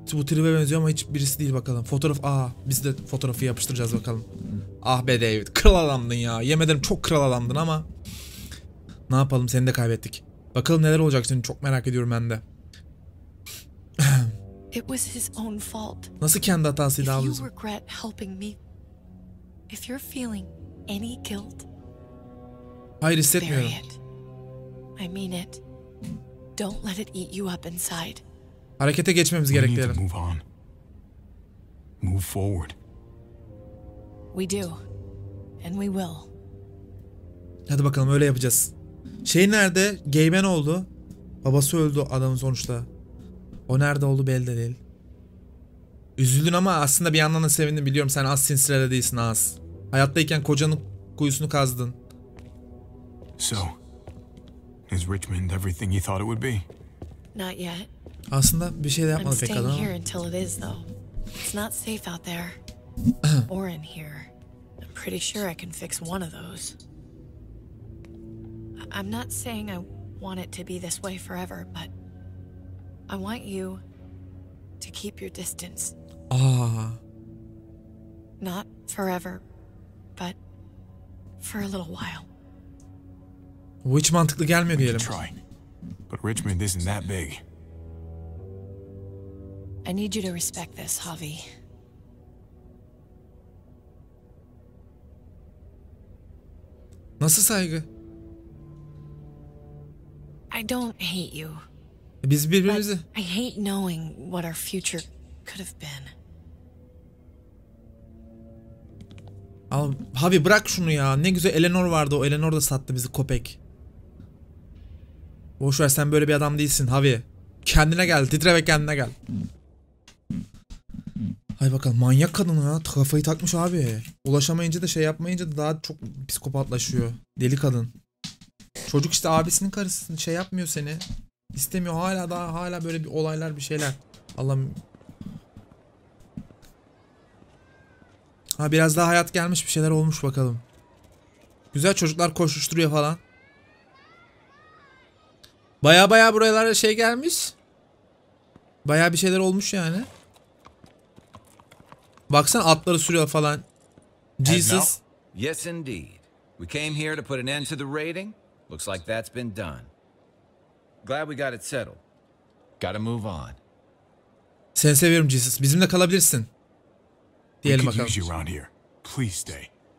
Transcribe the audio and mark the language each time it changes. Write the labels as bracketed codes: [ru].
[tr] Bu Trip'e benziyor ama hiç birisi değil bakalım. Fotoğraf. Aa, biz de fotoğrafı yapıştıracağız bakalım. Ah be David. Kral adamdın ya. Yemedim, çok kral adamdın ama. Ne yapalım, seni de kaybettik. Bakalım neler olacak şimdi. Çok merak ediyorum ben de. [en] It was his own fault. [tr] Nasıl kendi hatasıydı abicim? [en] If you regret helping me, if you're feeling any guilt, [tr] hayır, hissetmiyorum. [en] Bury it. I mean it. Don't let it eat you up inside. [tr] Harekete geçmemiz gerekli. [en] Move on. Move forward. We do. And we will. [tr] Hadi bakalım, öyle yapacağız. Şey nerede? Gaben oldu. Babası öldü adamın sonuçta. O nerede oldu belli değil. Üzüldün ama aslında bir yandan da sevindin, biliyorum. Sen az sinsirede değilsin, az. Hayattayken kocanın kuyusunu kazdın. [en] So, is Richmond everything he thought it would be? Not yet. [tr] Aslında bir şey de yapmadı pek adam. [en] I'm staying here until it is though. It's not safe out there. Or in here. I'm pretty sure I can fix one of those. I'm not saying I want it to be this way forever, but I want you to keep your distance. Ah. Not forever, but for a little while. Which [tr] mantıklı gelmiyor diyelim. [en] Try. But Richmond isn't that big. I need you to respect this, Javi. [tr] Nasıl saygı? [en] I don't hate you. [tr] Biz birbirimizi. [en] I hate knowing what our future could have been. [tr] Abi bırak şunu ya. Ne güzel Eleanor vardı. O Eleanor da sattı bizi, köpek. Boş ver, sen böyle bir adam değilsin Javi. Kendine gel. Titre ve kendine gel. Hay bakalım, manyak kadın ya. Kafayı takmış abi. Ulaşamayınca da şey yapmayınca da daha çok psikopatlaşıyor. Deli kadın. Çocuk işte abisinin karısını şey yapmıyor seni. İstemiyor. Hala daha hala böyle bir olaylar, bir şeyler. Allah'ım. Ha, biraz daha hayat gelmiş, bir şeyler olmuş bakalım. Güzel, çocuklar koşuşturuyor falan. Baya baya buralara şey gelmiş. Baya bir şeyler olmuş yani. Baksana, atları sürüyor falan. [en] Jesus. Yes indeed. We came here to put an end to the raiding. Looks like that's been done. Glad we got it settled. Gotta move on. [tr] Seni seviyorum Jesus. Bizimle kalabilirsin. Diyelim bakalım. [en] We could use you around here. Please stay.